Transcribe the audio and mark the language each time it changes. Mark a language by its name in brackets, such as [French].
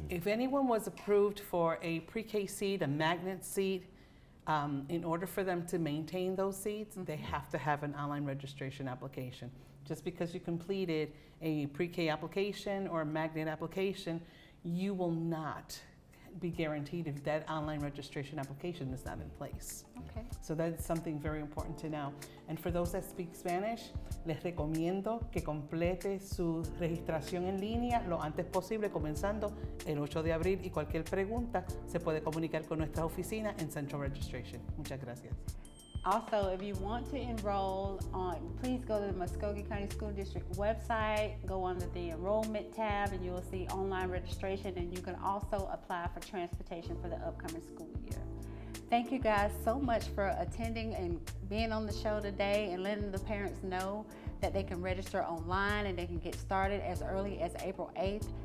[English] If anyone was approved for a pre-K seat, a magnet seat, in order for them to maintain those seats, mm-hmm. they have to have an online registration application. Just because you completed a pre-K application or a magnet application, you will not be guaranteed if that online registration application is not in place. Okay. So that's something very important to know. And for those that speak Spanish, [Spanish] les recomiendo que complete su registración en línea lo antes posible, comenzando el 8 de abril. Y cualquier pregunta se puede comunicar con nuestra oficina en Central Registration. Muchas gracias. [English] Also, if you want to enroll, please go to the Muskogee County School District website, go under the enrollment tab, and you will see online registration, and you can also apply for transportation for the upcoming school year. Thank you guys so much for attending and being on the show today and letting the parents know that they can register online and they can get started as early as April 8th.